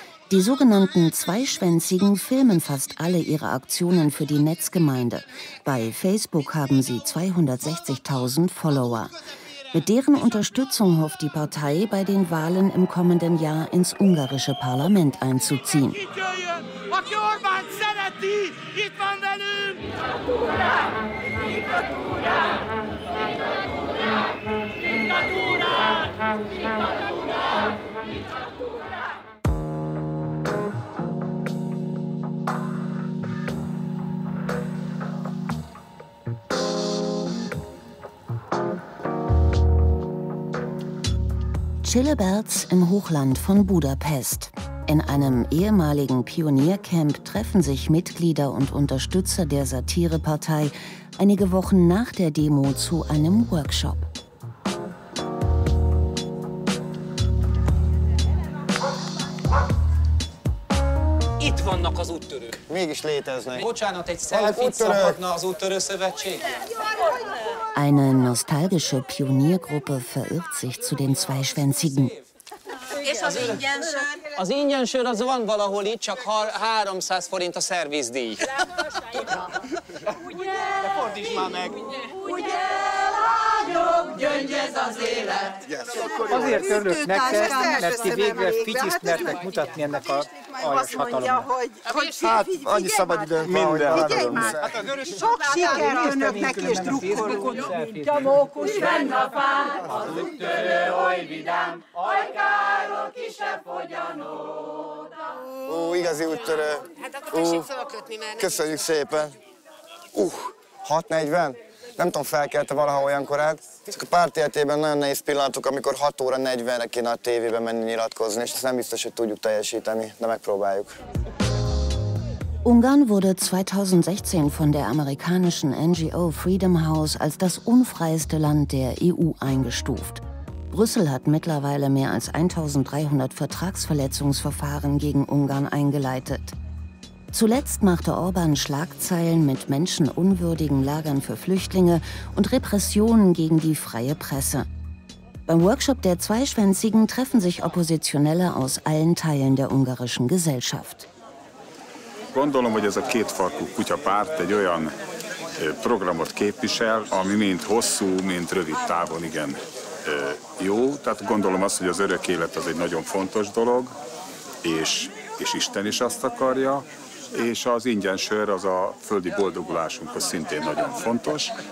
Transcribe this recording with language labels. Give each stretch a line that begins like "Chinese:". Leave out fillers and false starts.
German: Die sogenannten Zweischwänzigen filmen fast alle ihre Aktionen für die Netzgemeinde. Bei Facebook haben sie 260.000 Follower. Mit deren Unterstützung hofft die Partei, bei den Wahlen im kommenden Jahr ins ungarische Parlament einzuziehen.
Hungarian: Aki Orbán szereti, itt van velünk! Diktatúra! Diktatúra! Diktatúra!
German: Chilleberz im Hochland von Budapest. In einem ehemaligen Pioniercamp treffen sich Mitglieder und Unterstützer der Satirepartei einige Wochen nach der Demo zu einem Workshop.
Hungarian: itt vannak az úttörők. Mégis léteznek. Bocsánat, egy selfie-t szabadna az úttörőszövetség?
German: Eine nostalgische Pioniergruppe verirrt sich zu den zwei Schwänzigen.
Hungarian: És az ingyensör? Az ingyensör az van valahol itt, csak 300 forint a szervizdíj. Ugye, de fordítsd már meg. Ugye, lányok, gyöngy ez az élet.
English: Yes.
Hungarian: Azért örülök neked, mert ti végre fityiszt mertek mutatni ennek a aljas hatalomnak. Hát, annyi szabad időnk van, hogy elvárom. Sok siker önöknek és drukkolunk. Mint a mókus benne a pár, az úttörő oly vidám, ajká! Ó, igazi úttörő. Hát akkor tessék fölkötni, mert... Köszönjük szépen. 6:40? Nem tudom, felkelte valaha olyan korát. Csak a párt életében nagyon nehéz pillanatok, amikor 6:40-re kéne a tévébe menni nyilatkozni, és ezt nem biztos, hogy tudjuk teljesíteni, de megpróbáljuk.
German: Ungarn wurde 2016 von der amerikanischen NGO Freedom House als das unfreieste Land der EU eingestuft. Brüssel hat mittlerweile mehr als 1.300 Vertragsverletzungsverfahren gegen Ungarn eingeleitet. Zuletzt machte Orbán Schlagzeilen mit menschenunwürdigen Lagern für Flüchtlinge und Repressionen gegen die freie Presse. Beim Workshop der Zweischwänzigen treffen sich Oppositionelle aus allen Teilen der ungarischen Gesellschaft.
Hungarian: Gondolom, hogy ez a kétfarkú kutyapárt egy olyan programot képvisel, ami mind hosszú, mind rövid távon, igen. Jó, tehát gondolom azt, hogy az örök élet az egy nagyon fontos dolog, és Isten is azt akarja, és az ingyen sör az a földi boldogulásunk, az szintén nagyon fontos.